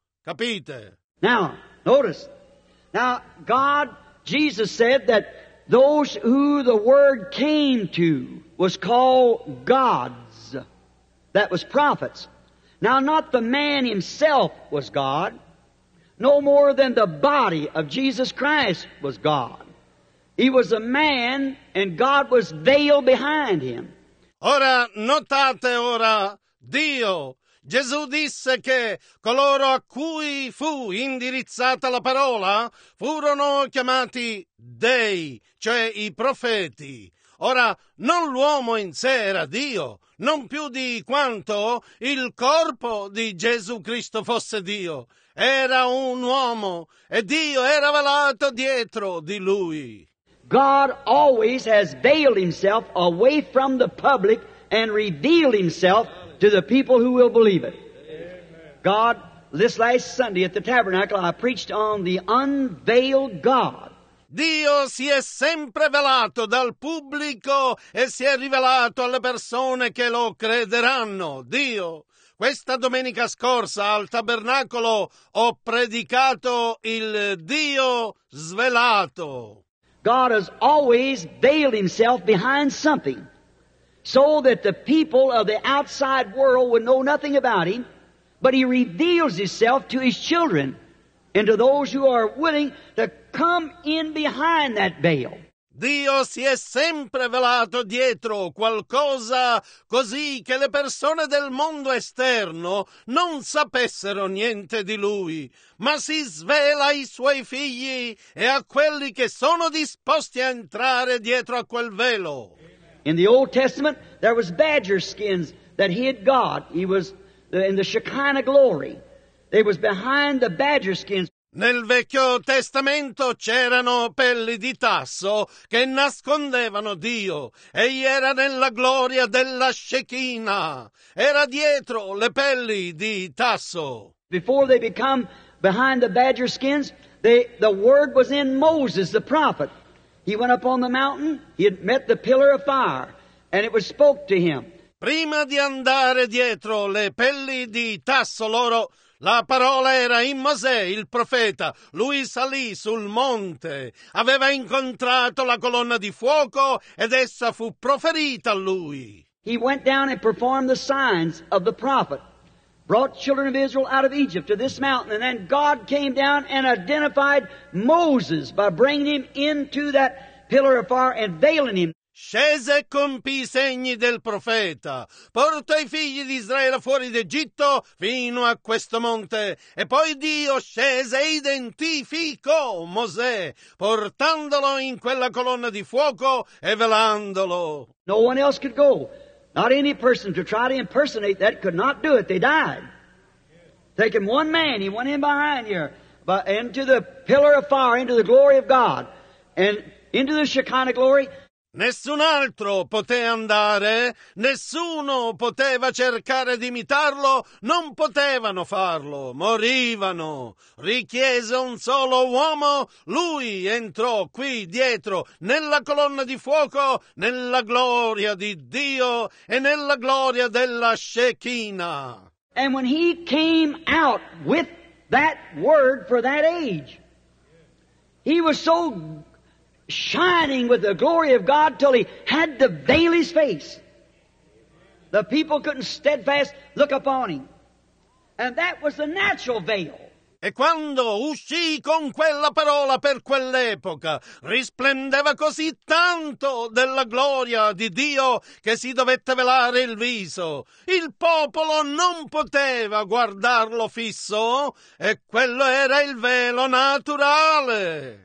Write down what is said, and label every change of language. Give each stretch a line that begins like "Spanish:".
Italian: Capite?
English: Now, notice. Now, God, Jesus said that those who the Word came to was called gods. That was prophets. Now, not the man himself was God, no more than the body of Jesus Christ was God. He was a man, and God was veiled behind him.
Italian: Ora, notate ora, Dio. Gesù disse che coloro a cui fu indirizzata la parola furono chiamati dei, cioè i profeti. Ora, non l'uomo in sé era Dio, non più di quanto il corpo di Gesù Cristo fosse Dio. Era un uomo e Dio era velato dietro di lui.
English: God always has veiled himself away from the public and revealed himself to the people who will believe it. God, this last Sunday at the tabernacle, I preached on the unveiled God.
Italian: Dio si è sempre velato dal pubblico e si è rivelato alle persone che lo crederanno. Dio, questa domenica scorsa al tabernacolo ho predicato il Dio svelato.
English: God has always veiled himself behind something, so that the people of the outside world would know nothing about him, but he reveals himself to his children and to those who are willing to come in behind that veil.
Italian: Dio si è sempre velato dietro qualcosa così che le persone del mondo esterno non sapessero niente di lui, ma si svela ai suoi figli e a quelli che sono disposti a entrare dietro a quel velo.
English: In the Old Testament, there was badger skins that hid God. He was in the Shekinah glory. They was behind the badger skins.
Italian: Nel Vecchio Testamento c'erano pelli di tasso che nascondevano Dio. Egli era nella gloria della Shekinah. Era dietro le pelli di tasso.
English: Before they become behind the badger skins, the word was in Moses, the prophet. He went up on the mountain, he had met the pillar of fire, and it was spoke to him.
Italian: Prima di andare dietro le pelli di tasso loro, la parola era in Mosè, il profeta. Lui salì sul monte, aveva incontrato la colonna di fuoco, ed essa fu proferita a lui.
English: He went down and performed the signs of the prophet, brought children of Israel out of Egypt to this mountain, and then God came down and identified Moses by bringing him into that pillar of fire and veiling him.
Italian: Scese e compì i segni del profeta, portò i figli di Israele fuori d'Egitto fino a questo monte, e poi Dio scese e identificò Mosè, portandolo in quella colonna di fuoco e velandolo.
English: No one else could go. Not any person to try to impersonate that could not do it. They died. Taking one man, he went in behind here, but into the pillar of fire, into the glory of God, and into the Shekinah glory.
Italian: Nessun altro poté andare, nessuno poteva cercare di imitarlo, non potevano farlo, morivano. Richiese un solo uomo, lui entrò qui dietro, nella colonna di fuoco, nella gloria di Dio e nella gloria della Shekinah.
English: And when he came out with that word for that age, he was so shining with the glory of God till he had to veil his face. The people couldn't steadfast look upon him. And that was the natural veil.
Italian: E quando uscì con quella parola per quell'epoca, risplendeva così tanto della gloria di Dio che si dovette velare il viso. Il popolo non poteva guardarlo fisso, e quello era il velo naturale.